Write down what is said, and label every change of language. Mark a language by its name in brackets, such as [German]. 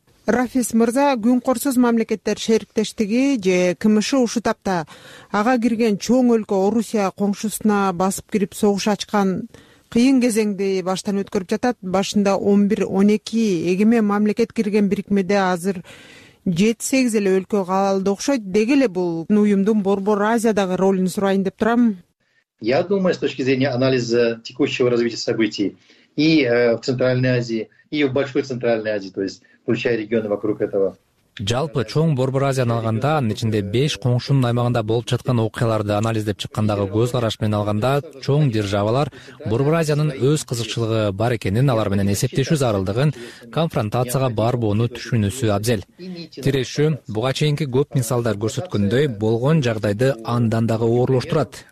[Kyrgyz] Рафис мырза, күн корсуз мамлекеттер шериктештиги же КМШ ушу тапта ага кирген чоң өлкө Орусия коңшусуна басып кирип согуш ачкан кыйын кезеңди баштан өткөрүп жатат. Башында 11-12 эгеме мамлекет кирген бирикмеде азыр 7-8 эле өлкө калды окшойт. Деги эле бул уюмдун борбор Азиядагы ролун сурайын деп турам. [Russian] Я думаю, с точки зрения анализа текущего развития событий и в Центральной Азии, и в Большой Центральной Азии, то есть включая регионы вокруг этого. [Kyrgyz] Жалпы чоң борбор Азияны алганда, анын ичинде 5 коңшунун аймагында болуп жаткан окуяларды анализдеп чыккандагы көз караш менен алганда, чоң державалар борбор Азиянын өз кызыкчылыгы бар экенин, алар менен эсептешүү зарылдыгын, конфронтацияга барбоону түшүнүүсү абзел. Тирешүү буга чейинки көп мисалдар көрсөткөндөй болгон жагдайды андан дагы оорлоштурат.